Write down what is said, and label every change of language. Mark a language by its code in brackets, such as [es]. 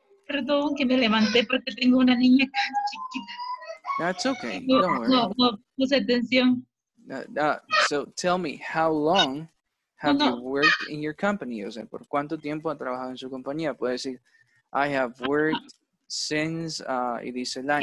[es] Perdón que me levanté porque tengo una niña chiquita. [en] That's okay, don't worry. [es] No, puse atención. [en] So tell me, how long have you worked in your company? [es] O sea, ¿por cuánto tiempo ha trabajado en su compañía? Puede decir, [en] I have worked since, [es] y dice el año.